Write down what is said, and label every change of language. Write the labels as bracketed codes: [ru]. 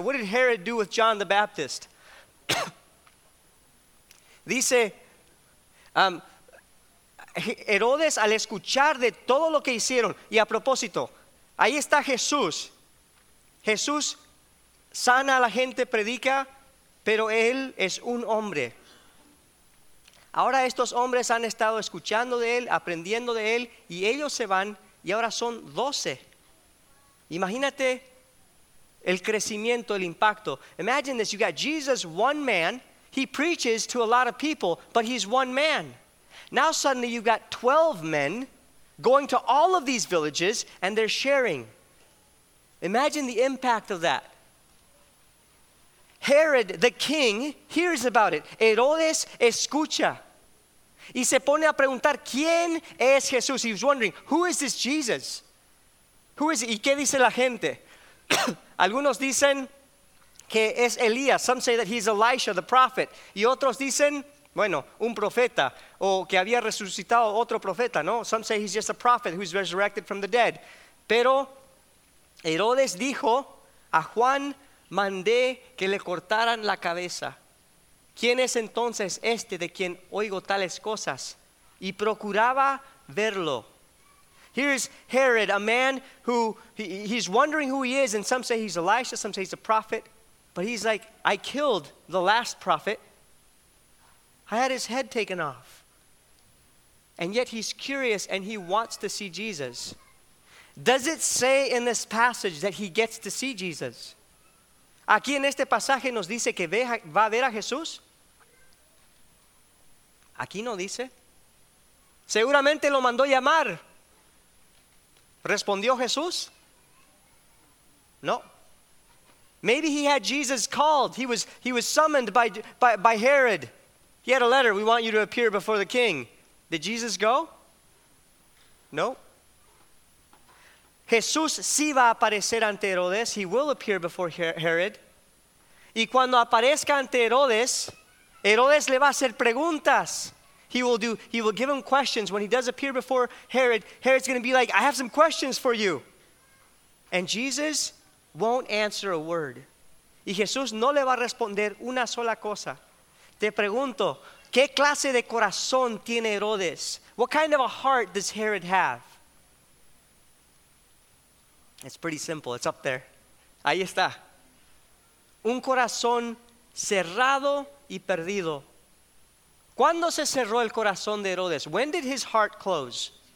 [en] What did Herod do with John the Baptist? [es] Dice, Herodes al escuchar de todo lo que hicieron, y a propósito, ahí está Jesús. Jesús sana a la gente, predica, pero él es un hombre. Ahora estos hombres han estado escuchando de él, aprendiendo de él, y ellos se van, y ahora son 12. Imagínate el crecimiento, el impacto. [en] Imagine this, you got Jesus, one man, he preaches to a lot of people, but he's one man. Now suddenly you've got 12 men going to all of these villages, and they're sharing. Imagine the impact of that. Herod, the king, hears about it. [es] Herodes escucha. Y se pone a preguntar, ¿quién es Jesús? [en] He was wondering, who is this Jesus? Who is it? [es] ¿Y qué dice la gente? Algunos dicen que es Elías. [en] Some say that he's Elisha, the prophet. [es] Y otros dicen, bueno, un profeta. O que había resucitado otro profeta, ¿no? [en] Some say he's just a prophet who's resurrected from the dead. [es] Pero Herodes dijo a Juan, mandé que le cortaran la cabeza. ¿Quién es entonces este de quien oigo tales cosas? Y procuraba verlo. [en] Here's Herod, a man who he's wondering who he is, and some say he's Elisha, some say he's a prophet, but he's like, I killed the last prophet. I had his head taken off. And yet he's curious and he wants to see Jesus. Does it say in this passage that he gets to see Jesus? [es] ¿Aquí en este pasaje nos dice que va a ver a Jesús? Aquí no dice. Seguramente lo mandó llamar. ¿Respondió Jesús? [en] No. Maybe he had Jesus called. He was summoned by Herod. He had a letter. We want you to appear before the king. Did Jesus go? [es] No. Jesús sí va a aparecer ante Herodes. [en] He will appear before Herod. [es] Y cuando aparezca ante Herodes, Herodes le va a hacer preguntas. [en] He will give him questions. When he does appear before Herod, Herod's going to be like, I have some questions for you. And Jesus won't answer a word. [es] Y Jesús no le va a responder una sola cosa. Te pregunto, ¿qué clase de corazón tiene Herodes? [en] What kind of a heart does Herod have? It's pretty simple. It's up there. [es] Ahí está. Un corazón cerrado y perdido. ¿Cuándo se cerró el corazón de Herodes? [en] When did his heart close?